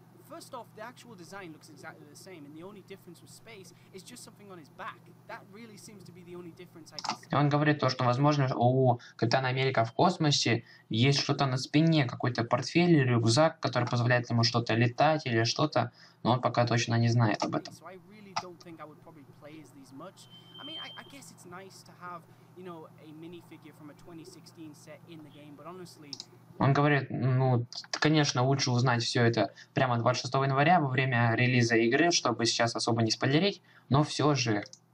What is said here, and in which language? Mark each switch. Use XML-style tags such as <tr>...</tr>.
<en>First off, the actual design looks exactly the same, and the only difference with Space is just something on his back. That really seems to be the only difference I can see.</en> <ru>Он говорит то, что, возможно, у Капитана Америка в космосе есть что-то на спине, какой-то портфель, рюкзак, который позволяет ему что-то летать или что-то, но он пока точно не знает об этом.</ru> <en>So I really don't think I would probably play as these much. I mean, I guess it's nice to have, you know, a minifigure from a 2016 set in the game, but honestly.</en> <ru>Он говорит, ну, конечно, лучше узнать все это прямо 26 января во время релиза игры, чтобы сейчас особо не спойлерить, но все же.</ru>